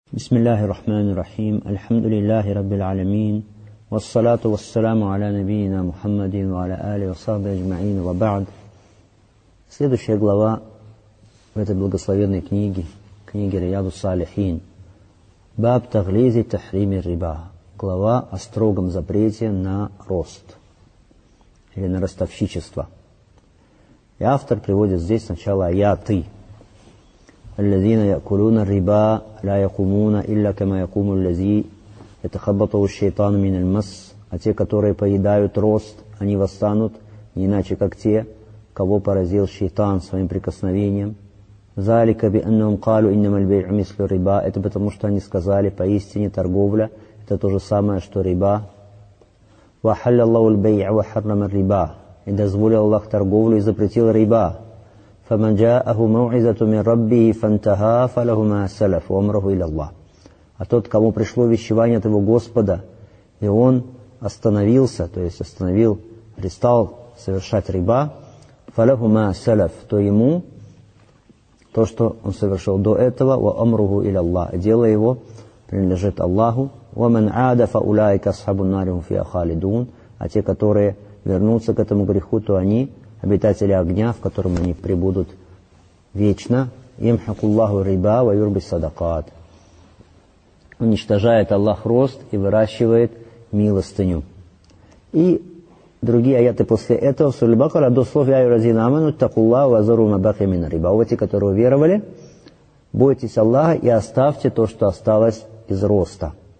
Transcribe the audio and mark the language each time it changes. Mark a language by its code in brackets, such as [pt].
[ar] بسم الله الرحمن الرحيم الحمد لله رب العالمين والصلاة والسلام على نبينا محمد وعلى آله وصحبه أجمعين وبعد. [ru] Следующая глава в этой благословенной книге, книге Рияд ас-Салихин, [ar] باب تغليظ تحريم الربا, [ru] глава о строгом запрете на рост или на ростовщичество. И автор приводит здесь сначала аяты. [ar] الذين يأكلون الربا لا يقومون إلا كما يقوم الذي يتخبطه الشيطان من المس. [ru] А те, которые поедают рост, они восстанут не иначе, как те, кого поразил шейтан своим прикосновением. [ar] ذلك بأنهم قالوا إنما البيع مثل الربا. [ru] Это потому, что они сказали, поистине торговля это то же самое, что риба. [ar] وحل الله البيع وحرم الربا. [ru] И дозволил Аллах торговлю и запретил риба. [ar] فَمَنْ جَاءَهُ مَوْعِذَةُ مِنْ رَبِّهِ فَانْتَهَا فَلَهُ مَا سَلَفْ وَأَمْرَهُ إِلَى اللَّهِ. [ru] А тот, кому пришло вещевание от его Господа, и он остановился, то есть остановил, перестал совершать риба, [ar] فَلَهُ مَا سَلَفْ, [ru] то ему то, что он совершил до этого, [ar] وَأَمْرُهُ إِلَى اللَّهِ, [ru] дело его принадлежит Аллаху. [ar] وَمَنْ عَادَ فَأُولَٰئِكَ أَصْحَابُ النَّارِ هُمْ فِيهَا خَالِدُونَ. [ru] А те, которые вернутся к этому греху, то они обитатели огня, в котором они пребудут вечно. [ar] يمحق الله الربا ويربي الصدقات. [ru] Уничтожает Аллах рост и выращивает милостыню. И другие аяты после этого в суре Бакара, до слов [ar] я юразина аману таккуллаху вазуру мабаки мин риба. [ru] Вы те, которые уверовали, бойтесь Аллаха и оставьте то, что осталось из роста.